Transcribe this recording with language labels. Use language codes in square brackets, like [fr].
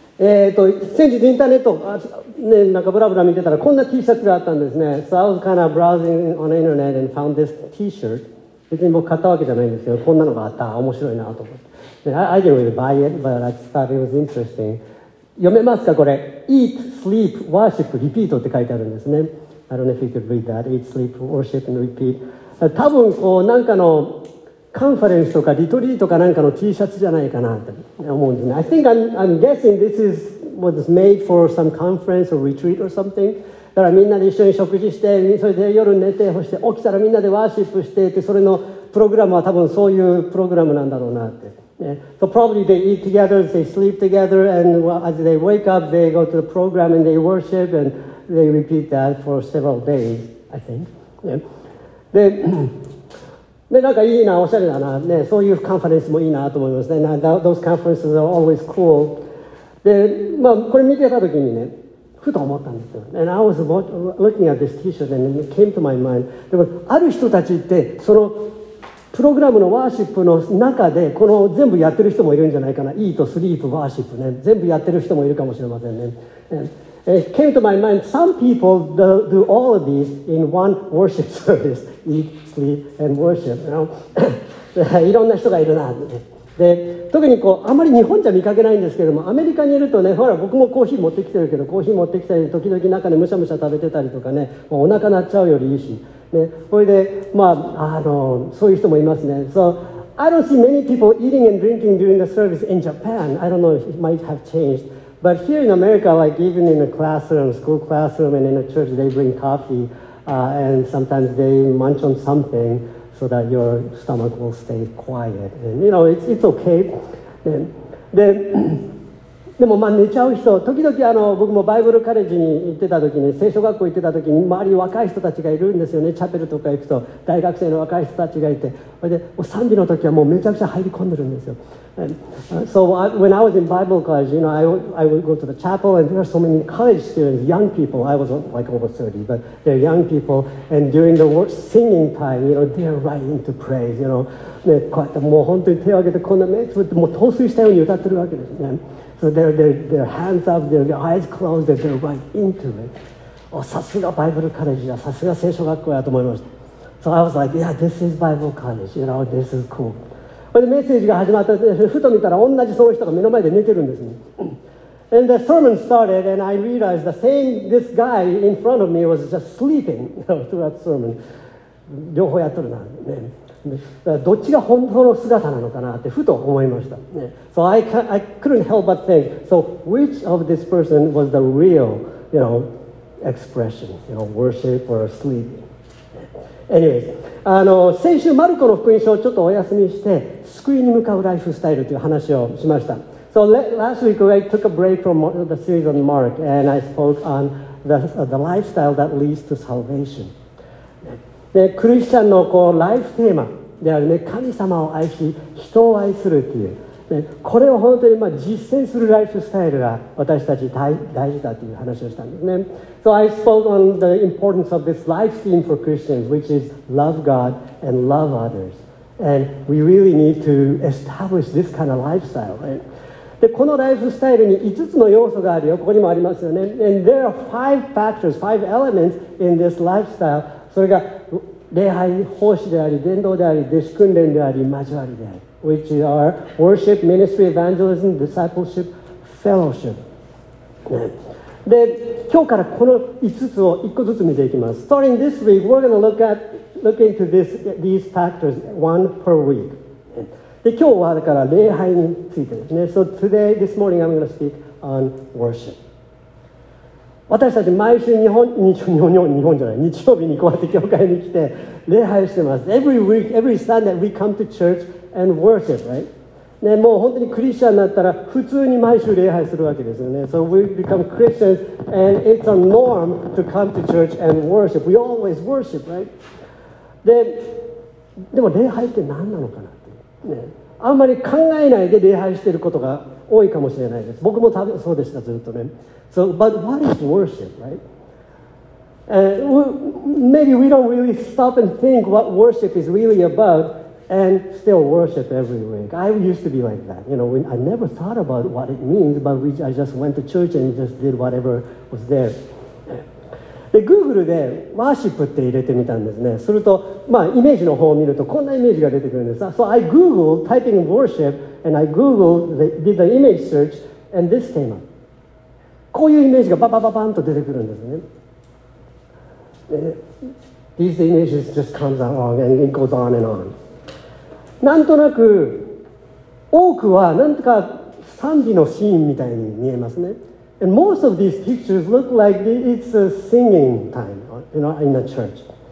[ja] 先日インターネットね、なんかブラブラ見てたらこんな T シャツがあったんですね。 [en] So I was kind of browsing on the internet and found this T-shirt. [ja] 別に僕買ったわけじゃないんですよ。こんなのがあった、面白いなと思って。 [en] I didn't really buy it, but I thought it was interesting. [ja] 読めますかこれ。 [en] Eat, sleep, worship, repeat [ja] って書いてあるんですね。 [en] I don't know if you could read that. Eat, sleep, worship and repeat. [ja] 多分こうなんかのカンファレンスとかリトリートかなんかの T シャツじゃないかなって思うんですね。 [en] I think I'm guessing this is what is made for some conference or retreat or something. [ja] だからみんなで一緒に食事して、それで夜寝て、そして起きたらみんなでワーシップしてって、それのプログラムは多分そういうプログラムなんだろうなって、ね、 [en] So probably they eat together, they sleep together, and as they wake up they go to the program and they worship and they repeat that for several days, I think.、 [ja] ね、で、でなんかいいな、おしゃれだな、ね、そういうカンファレンスもいいなと思いますね。 [en] Those conferences are always cool. [ja] で、まあ、これ見てた時にね、ふと思ったんですよ。 [en] And I was looking at this T-shirt and it came to my mind. [ja] でもある人たちってそのプログラムのワーシップの中でこの全部やってる人もいるんじゃないかな。 [en] Eat, sleep, worship [ja] ね、全部やってる人もいるかもしれませんね。 [en] It came to my mind, some people do all of these in one worship service. Eat,And worship, you know? [ja] いろんな人がいるな。で、特にこうあまり日本じゃ見かけないんですけども、アメリカにいるとね、ほら僕もコーヒー持ってきてるけど、コーヒー持ってきたり時々中でむしゃむしゃ食べてたりとかね、もうお腹鳴っちゃうよりいいし、ね、それでまあそういう人もいますね。 [en] So I don't see many people eating and drinking during the service in Japan. I don't know if it might have changed, but here in America, like even in a classroom, school classroom, and in a church, they bring coffee. And sometimes they munch on something so that your stomach will stay quiet. And you know, it's okay. [ja] でもまあ寝ちゃう人、時々僕もバイブルカレッジに行ってた時に、聖書学校行ってた時に周り若い人たちがいるんですよね。チャペルとか行くと大学生の若い人たちがいて、それで賛美の時はもうめちゃくちゃ入り込んでるんですよ。 [en] So when I was in Bible college, you know, I would go to the chapel and there are so many college students, young people. I was like over 30, but they're young people. And during the singing time, you know, they're right into praise, you know. [ja] でこうやってもう本当に手を挙げてこんな目つぶってもう陶酔したように歌ってるわけですね。 [en] So their hands up, their eyes closed, and they're right into it. [ja] Oh, さすがバイブルカレッジだ、さすが聖書学校やと思いました。 [en] So I was like, yeah, this is Bible college, you know, this is cool. [ja] But メッセージが始まったら、ふと見たら同じその人が目の前で寝てるんですね。 [en] And the sermon started, and I realized the same, this guy in front of me was just sleeping, you know, throughout the sermon. [ja] 両方やっとるな、ね。どっちが本当の姿なのかなってふと思いました。 [en] So I couldn't help but think, so which of this person was the real, you know, expression, you know, worship or sleep? [ja] Anyways, 先週マルコの福音書をちょっとお休みして救いに向かうライフスタイルという話をしました。 [en] So last week I took a break from the series on Mark and I spoke on the lifestyle that leads to salvation. [ja] でクリスチャンのこうライフテーマである、ね、神様を愛し人を愛するっていう、ね、これを本当にまあ実践するライフスタイルが私たち大事だという話をしたんですね。 [en] So I spoke on the importance of this life theme for Christians, which is love God and love others. And we really need to establish this kind of lifestyle, right? [ja] でこのライフスタイルに5つの要素があるよ。ここにもありますよね。 [en] And there are five factors, five elements in this lifestyle. [ja] それが礼拝奉仕であり、伝道であり、弟子訓練であり、交わりであり、 [en] which are worship, ministry, evangelism, discipleship, fellowship、 [ja] ね、で今日からこの5つを1個ずつ見ていきます。 [en] Starting this week, we're going to look into these factors one per week、 [ja] ね、で今日はだから礼拝についてですね。 [en] So today, this morning, I'm going to speak on worship。 [ja] 私たち毎週日曜日にこうやって教会に来て礼拝してます。 [en] Every week, every Sunday we come to church and worship, right? [ja] ね、もう本当にクリスチャンになったら普通に毎週礼拝するわけですよね。 [en] So we become Christians and it's a norm to come to church and worship. We always worship, right? [ja] でも礼拝って何なのかなっていう、ね、あんまり考えないで礼拝してることが多いかもしれないです。僕も多分そうでした、ずっとね。 [en] So, but what is worship, right? Maybe we don't really stop and think what worship is really about. And still worship every week. I used to be like that. You know, when I never thought about what it means, but we, I just went to church and just did whatever was there. [ja] で、Google でワーシップって入れてみたんですね。すると、まあ、イメージの方を見るとこんなイメージが出てくるんです。 [en] So I Googled typing worship and I Googled, did the image search and this came up. [ja] こういうイメージがババババンと出てくるんですね。 [en] These images just comes along and it goes on and on. [ja] なんとなく多くはなんとか賛美のシーンみたいに見えますね。 [en] And most of these pictures look like it's a singing time, you know, in a church.